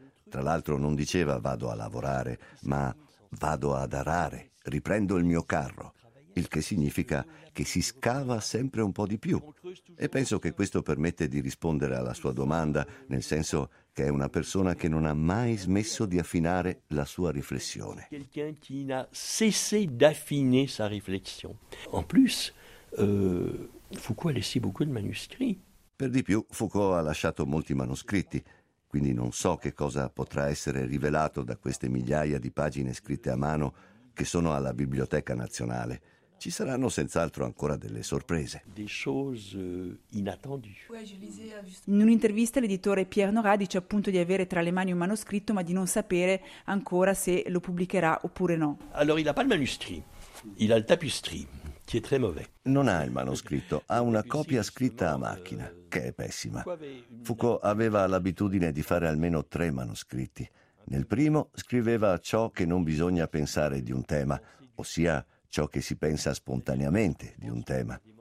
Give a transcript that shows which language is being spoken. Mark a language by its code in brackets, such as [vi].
[it] Tra l'altro non diceva vado a lavorare, ma vado ad arare, riprendo il mio carro. Il che significa che si scava sempre un po' di più. E penso che questo permette di rispondere alla sua domanda, nel senso che è una persona che non ha mai smesso di affinare la sua riflessione. [fr] Quelqu'un qui n'a cessé d'affiner sa réflexion. En plus, Foucault a laissé beaucoup de manuscrits. [it] Per di più, Foucault ha lasciato molti manoscritti, quindi non so che cosa potrà essere rivelato da queste migliaia di pagine scritte a mano che sono alla Biblioteca Nazionale. Ci saranno senz'altro ancora delle sorprese. In un'intervista l'editore Pierre Nora dice appunto di avere tra le mani un manoscritto, ma di non sapere ancora se lo pubblicherà oppure no. [fr] Allora, il n'a pas le manuscrit, il a le tapestry, qui est très mauvais. [it] Non ha il manoscritto, ha una copia scritta a macchina, che è pessima. Foucault aveva l'abitudine di fare almeno 3 manoscritti. Nel primo scriveva ciò che non bisogna pensare di un tema, ossia ciò che si pensa spontaneamente di un tema.